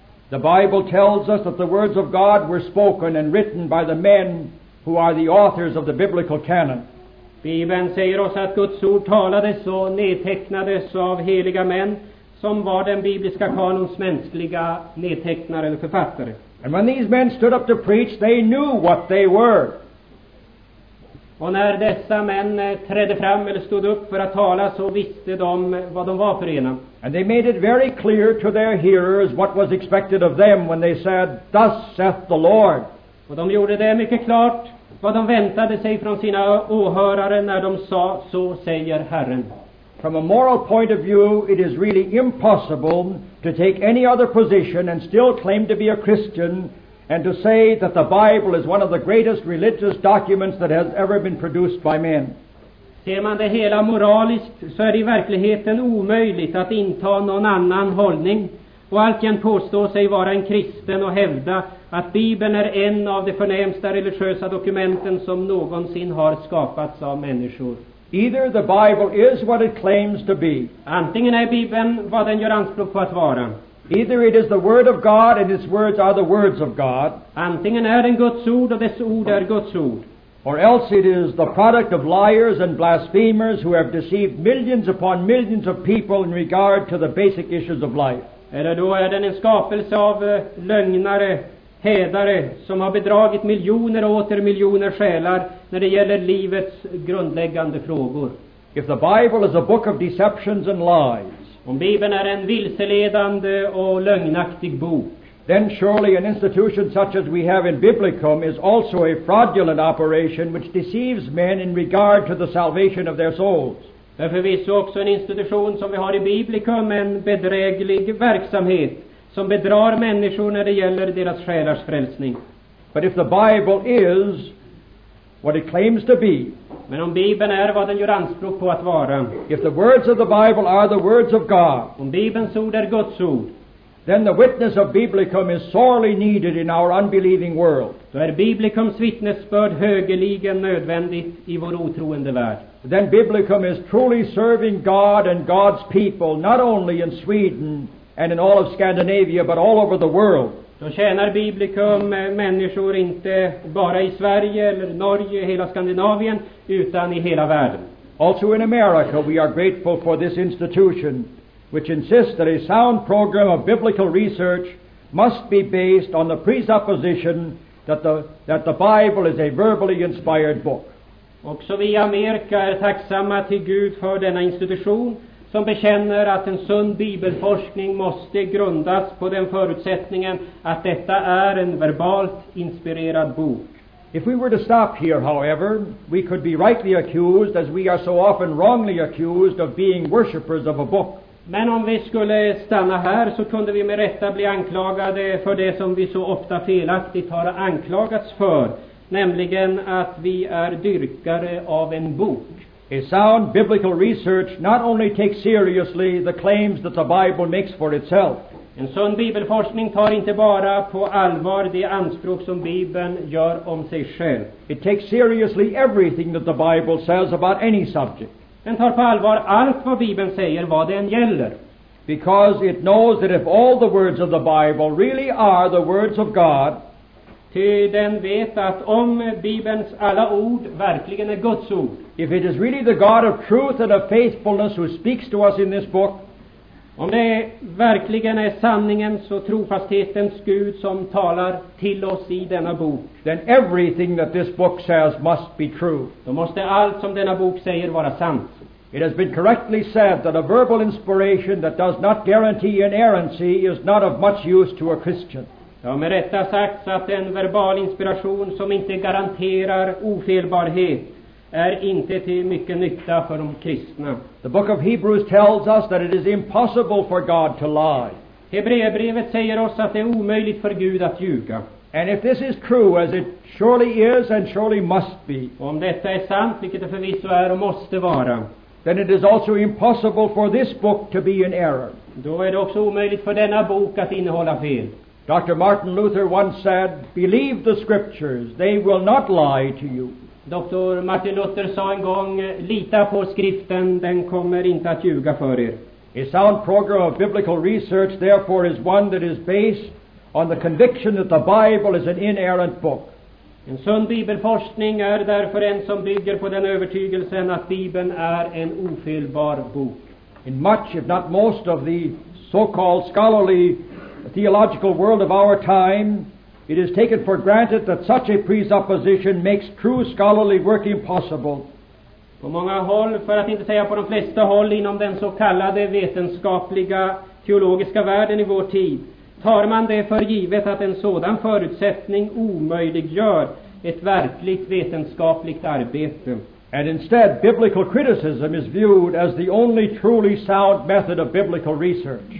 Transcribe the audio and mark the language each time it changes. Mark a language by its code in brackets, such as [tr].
[en] The Bible tells us that the words of God were spoken and written by the men who are the authors of the biblical canon. [sv] Bibeln säger oss att Guds ord talades och nedtecknades av heliga män som var den bibliska kanons mänskliga nedtecknare eller författare. [en] And when these men stood up to preach, they knew what they were. [sv] Och när dessa män trädde fram eller stod upp för att tala så visste de vad de var för ena. [en] And they made it very clear to their hearers what was expected of them when they said, "Thus saith the Lord." [sv] Och de gjorde det mycket klart vad de väntade sig från sina åhörare när de sa, "Så säger Herren." [en] From a moral point of view, it is really impossible to take any other position and still claim to be a Christian and to say that the Bible is one of the greatest religious documents that has ever been produced by men. [sv] Ser man det hela moraliskt så är det i verkligheten omöjligt att inta någon annan hållning och alltjämt påstå sig vara en kristen och hävda att Bibeln är en av de förnämsta religiösa dokumenten som någonsin har skapats av människor. [en] Either the Bible is what it claims to be. [sv] Antingen är Bibeln vad den gör anspråk på att vara. [en] Either it is the word of God and its words are the words of God. [sv] Antingen är den Guds ord och dess ord är Guds ord. [en] Or else it is the product of liars and blasphemers who have deceived millions upon millions of people in regard to the basic issues of life. [sv] Eller då är den en skapelse av lögnare, hädare som har bedragit miljoner och åter miljoner själar när det gäller livets grundläggande frågor. [en] If the Bible is a book of deceptions and lies, [sv] om Bibeln är en vilseledande och lögnaktig bok, [en] then surely an institution such as we have in Biblicum is also a fraudulent operation which deceives men in regard to the salvation of their souls. [sv] Därför finns också en institution som vi har i Biblicum, en bedräglig verksamhet som bedrar människor när det gäller deras själars frälsning. [en] But if the Bible is what it claims to be. [sv] Men om Bibeln är vad den gör anspråk på att vara. [en] If the words of the Bible are the words of God. [sv] Om Bibelns ord är Guds ord. [en] Then the witness of Biblicum is sorely needed in our unbelieving world. [sv] Då är Biblicums vittnesbörd högeligen nödvändigt i vår otroende värld. [en] Then Biblicum is truly serving God and God's people, not only in Sweden and in all of Scandinavia, but all over the world. [sv] Då tjänar Biblicum människor inte bara i Sverige eller Norge, hela Skandinavien, utan i hela världen. [en] Also in America, we are grateful for this institution, which insists that a sound program of biblical research must be based on the presupposition that the Bible is a verbally inspired book. [sv] Också vi i Amerika är tacksamma till Gud för denna institution som bekänner att en sund bibelforskning måste grundas på den förutsättningen att detta är en verbalt inspirerad bok. [en] If we were to stop here, however, we could be rightly accused, as we are so often wrongly accused, of being worshippers of a book. [sv] Men om vi skulle stanna här så kunde vi med rätta bli anklagade för det som vi så ofta felaktigt har anklagats för, nämligen att vi är dyrkare av en bok. [en] A sound biblical research not only takes seriously the claims that the Bible makes for itself. [sv] En sund bibelforskning tar inte bara på allvar de anspråk som Bibeln gör om sig själv. [en] It takes seriously everything that the Bible says about any subject. [sv] Den tar på allvar allt vad Bibeln säger, vad den gäller. [en] Because it knows that if all the words of the Bible really are the words of God. [sv] Ty den vet att om Bibelns alla ord verkligen är Guds ord. [en] If it is really the God of truth and of faithfulness who speaks to us in this book. [sv] Om det verkligen är sanningens och trofasthetens Gud som talar till oss i denna bok. [en] Then everything that this book says must be true. [sv] Då måste allt som denna bok säger vara sant. [en] It has been correctly said that a verbal inspiration that does not guarantee inerrancy is not of much use to a Christian. [sv] Det har med rätta sagts att en verbal inspiration som inte garanterar ofelbarhet är inte till mycket nytta för de kristna. [en] The book of Hebrews tells us that it is impossible for God to lie. [sv] Hebreerbrevet säger oss att det är omöjligt för Gud att ljuga. [en] And if this is true, as it surely is and surely must be. [sv] Om detta är sant, vilket det förvisso är och måste vara. [en] Then it is also impossible for this book to be in error. [sv] Då är det också omöjligt för denna bok att innehålla fel. [en] Dr. Martin Luther once said, "Believe the scriptures, they will not lie to you." [sv] Dr. Martin Luther sa en gång, lita på skriften, den kommer inte att ljuga för er. [en] A sound program of biblical research, therefore, is one that is based on the conviction that the Bible is an inerrant book. [sv] En sund bibelforskning är därför en som bygger på den övertygelsen att Bibeln är en ofelbar bok. [en] In much, if not most, of the so-called scholarly theological world of our time, it is taken for granted that such a presupposition makes true scholarly work impossible. [sv] På många håll, för att inte säga på de flesta håll inom den så kallade vetenskapliga teologiska världen i vår tid, tar man det för givet att en sådan förutsättning omöjliggör ett verkligt vetenskapligt arbete. [en] And instead, biblical criticism is viewed as the only truly sound method of biblical research.